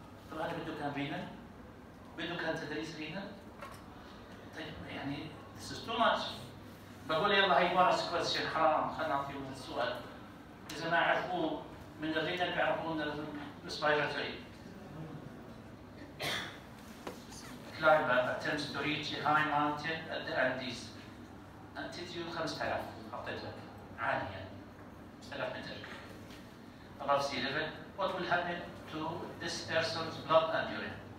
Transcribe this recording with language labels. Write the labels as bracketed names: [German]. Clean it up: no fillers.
[Arabic] طب هذا بده كان رينا؟ بده كان تدريس رينا؟ طيب يعني [English] this is too much. [Arabic] بقول يلا هاي بارس كويسشن حرام خلنا نعطيهم السؤال. إذا ما عرفوه من الرينا بيعرفوه من الاسبيراتوري. [English] Climber attempts to reach a high mountain at the Andes. [Arabic] Altitude 5000 حطيت لك عالية. [English] 5000 متر. Above sea level. What will happen to this person's blood and urine?